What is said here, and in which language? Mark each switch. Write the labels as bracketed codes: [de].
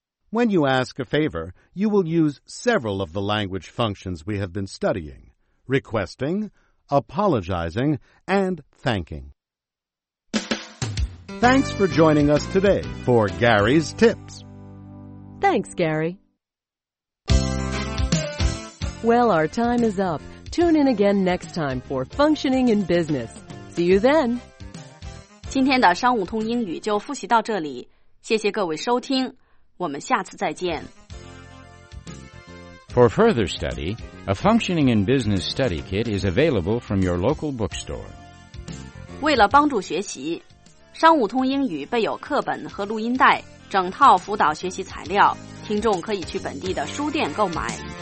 [en] When you ask a favor, you will use several of the language functions we have been studying, requesting, apologizing, and thanking. Thanks for joining us today for Gary's Tips. Thanks, Gary. Well, our time is up. Tune in again next time for Functioning in Business. See you then. [zh] 今天的商务通英语就复习到这里。谢谢各位收听。我们下次再见。 [en] For further study, a Functioning in Business study kit is available from your local bookstore. [zh] 为了帮助学习，商务通英语备有课本和录音带。整套辅导学习材料，听众可以去本地的书店购买。